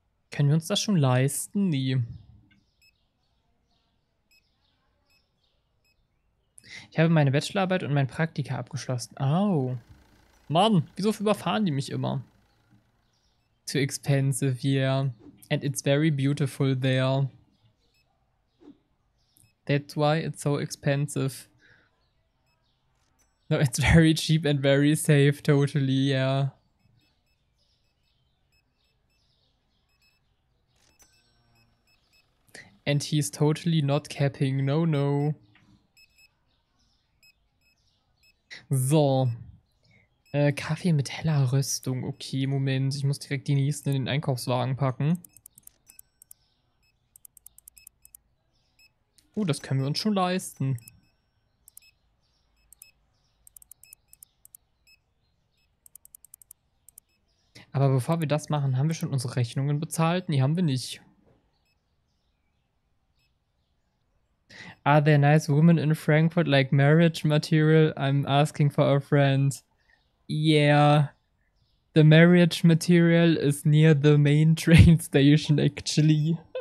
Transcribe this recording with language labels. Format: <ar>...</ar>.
<de>Können wir uns das schon leisten? Nee. Ich habe meine Bachelorarbeit und mein Praktika abgeschlossen. Oh. Mann, wieso überfahren die mich immer?</de> <en>Too expensive, yeah. And it's very beautiful there. That's why it's so expensive. No, it's very cheap and very safe, totally, yeah. And he's totally not capping, no, no. So.</en> <de>Kaffee mit heller Rüstung. Okay, Moment. Ich muss direkt die nächsten in den Einkaufswagen packen. Oh, das können wir uns schon leisten. Aber bevor wir das machen, haben wir schon unsere Rechnungen bezahlt? Nee, haben wir nicht.</de> <en>Are there nice women in Frankfurt like marriage material? I'm asking for a friend. Yeah, the marriage material is near the main train station, actually.</en>